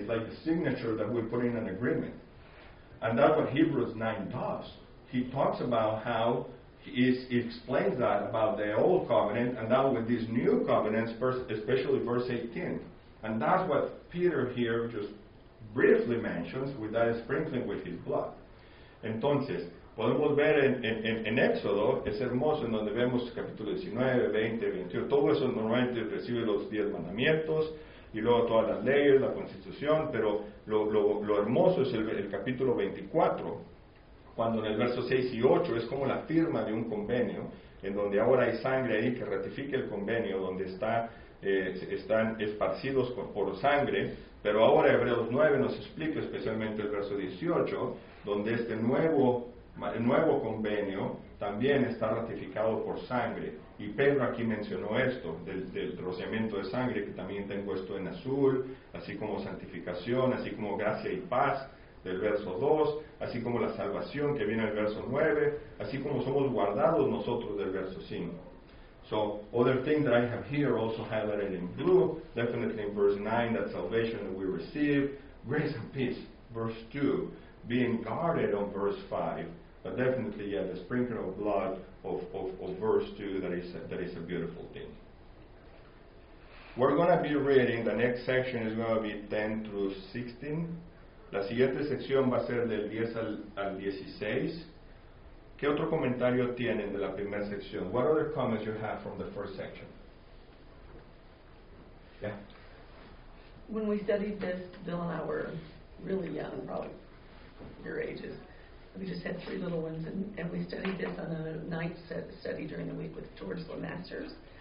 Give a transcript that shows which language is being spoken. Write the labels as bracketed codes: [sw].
[en] It's like the signature that we put in an agreement. And that's what Hebrews 9 does. He talks about how he explains that about the old covenant and now with these new covenants, especially verse 18. And that's what Peter here just briefly mentions with that sprinkling with his blood. [es] Entonces, podemos ver en Éxodo, es hermoso, en donde vemos capítulo 19, 20, 21. Todo eso normalmente recibe los 10 mandamientos, y luego todas las leyes, la constitución, pero lo hermoso es el capítulo 24, cuando en el verso 6 y 8 es como la firma de un convenio, en donde ahora hay sangre ahí que ratifica el convenio, donde está, están esparcidos por sangre, pero ahora Hebreos 9 nos explica especialmente el verso 18, donde este nuevo convenio también está ratificado por sangre. Y Pedro aquí mencionó esto, del rociamiento de sangre, que también tengo esto en azul, así como santificación, así como gracia y paz, del verso 2, así como la salvación que viene al verso 9, así como somos guardados nosotros del verso 5. [en] So, other thing that I have here also highlighted in blue, definitely in verse 9, that salvation that we receive, grace and peace, verse 2, being guarded on verse 5, but definitely, yeah, the sprinkling of blood of verse 2, that is a beautiful thing. We're going to be reading, the next section is going to be 10 through 16. [es] La siguiente sección va a ser del 10 al 16. ¿Qué otro comentario tienen de la primera sección? [en] What other comments you have from the first section? Yeah. When we studied this, Bill and I were really young, probably your ages. We just had three little ones, and we studied this on a night study during the week with George LeMasters.